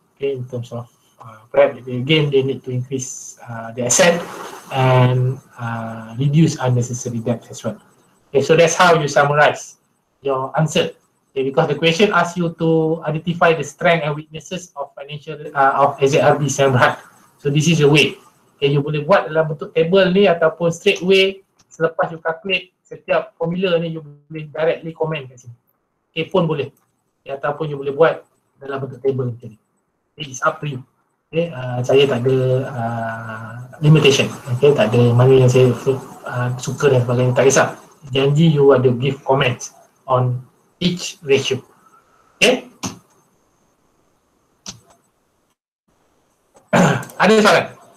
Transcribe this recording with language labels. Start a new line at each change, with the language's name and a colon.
English: Okay, in terms of perhaps again they need to increase the asset and reduce unnecessary debt as well. Okay, so that's how you summarize your answer. Okay, because the question asks you to identify the strength and weaknesses of financial of SRB Sdn Bhd. So this is the way.
Malay: Okay, you boleh buat dalam bentuk table ni ataupun straight away. Selepas you calculate setiap formula ni, you boleh directly comment kat sini. Okay, pun boleh. Okay, ataupun you boleh buat dalam bentuk table macam ni.
English: Okay, it's up to you. Okay,
Malay: saya tak ada
English: limitation.
Malay: Okay, tak ada mana yang saya suka dan sebagainya. Tak kisah.
English: Janji you ada give comments on each ratio. Okay.
Malay: Ada soalan?